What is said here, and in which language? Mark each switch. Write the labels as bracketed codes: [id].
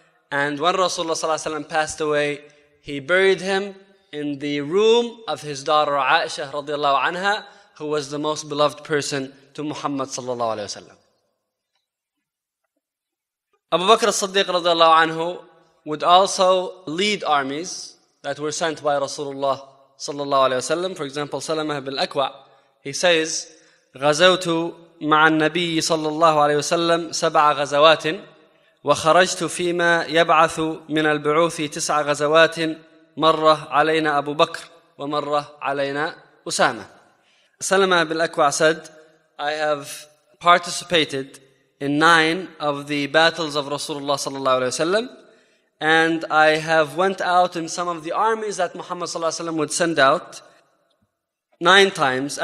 [en] And when Rasulullah sallallahu alayhi wa sallam passed away, he buried him in the room of his daughter Aisha radiallahu anha, who was the most beloved person to Muhammad sallallahu alayhi wa sallam. Abu Bakr as-Siddiq radiallahu anhu would also lead armies that were sent by Rasulullah sallallahu alayhi wa sallam. For example, Salamah ibn al-Akwa, he says, [ar] غَزَوْتُ مَعَ النَّبِيِّ صَلَّى اللَّهُ عَلَيْهِ وَسَلَّمْ سَبْعَ غَزَوَاتٍ وخرجت فيما يبعث من البعوث تسع غزوات مرة علينا أبو بكر ومرة علينا أسامة. [en] سلمة بن الأكوع said, I have participated in 9 of the battles of Rasulullah صلى الله عليه وسلم and I have went out in some of the armies that Muhammad صلى الله عليه وسلم would send out 9 times.